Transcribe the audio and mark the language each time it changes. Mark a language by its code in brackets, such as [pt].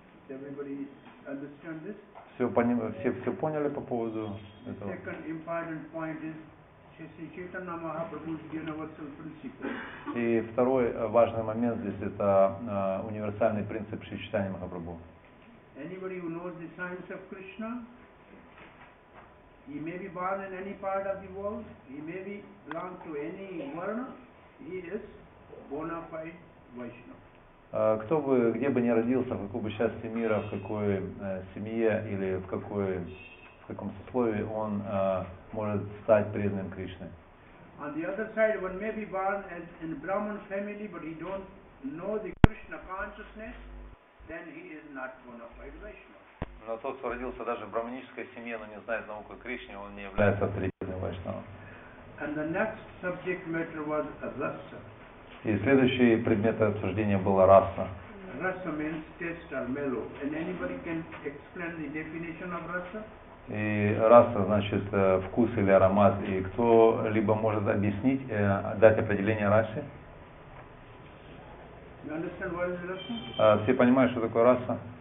[en] Everybody understand this? [ru] Все поняли по поводу [en] the [ru] этого. [en] Second important point is Чайтанья Махапрабху's universal principle. [ru] И второй важный момент здесь – это универсальный принцип Шри Чайтанья Махапрабху. [en] Anybody who knows the science of Krishna, he may be born in any part of the world, he may be belong to any varna, he is bona fide Vaishnava. [ru] Кто бы, где бы ни родился, в какой бы части мира, в какой семье или в каком сословии, он может стать преданным Кришны. [en] On the other side, one may be born as in Brahman family, but he don't know the Krishna consciousness, then he is not bona fide Vaishnava. [ru] Но тот, кто родился даже в брахманической семье, но не знает науку о Кришне, он не является преданным Вайшнавом. [en] And the next subject matter was rasa. [ru] И следующий предмет обсуждения была раса. [en] Rasa means taste or mellow. And anybody can explain the definition of rasa? [ru] И раса значит вкус или аромат. И кто-либо может объяснить, дать определение расе? [en] You understand what is rasa? [ru] Все понимают, что такое раса?